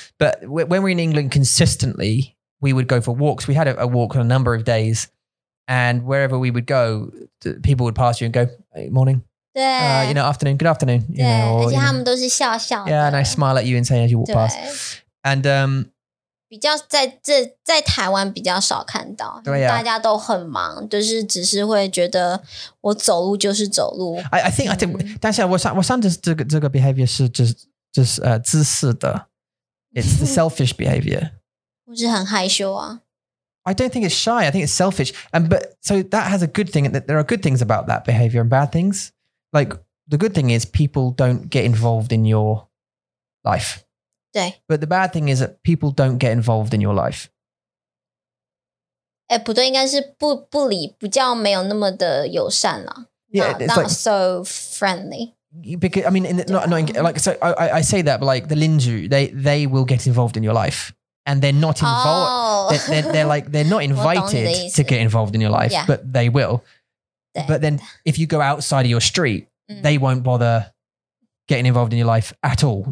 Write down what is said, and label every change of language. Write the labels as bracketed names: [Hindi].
[English] But when we're in England consistently, we would go for walks. We had a walk on a number of days. And wherever we would go, people would pass you and go, hey, morning. [Chinese] 对、 [English] you know, afternoon, good afternoon. [Chinese] 对 [English] you know, or, [Chinese] 而且他们都是笑笑的。 [English] Yeah, and I smile at you and say as you walk past. And, [Chinese] 比较在台湾比较少看到。对呀、啊。大家都很忙就是只是会觉得我走路就是走路。 [English] I think, [Chinese] 但是我想这个 behavior 是自私的。 [English] It's the selfish behavior. [Chinese] 我是很害羞啊。 [English] I don't think it's shy. I think it's selfish. But so that has a good thing. That there are good things about that behavior and bad things. Like the good thing is people don't get involved in your life. [Chinese] 对. [English] But the bad thing is that people don't get involved in your life. [Chinese] 诶，不对，应该是不理，比较没有那么的友善了。 [English] Yeah, not like, so friendly. Because I mean, I say that, but like the Linju, they will get involved in your life. And they're not involved.、 Oh. They're not invited to get involved in your life,、 yeah. but they will. But then if you go outside of your street,、mm. they won't bother getting involved in your life at all.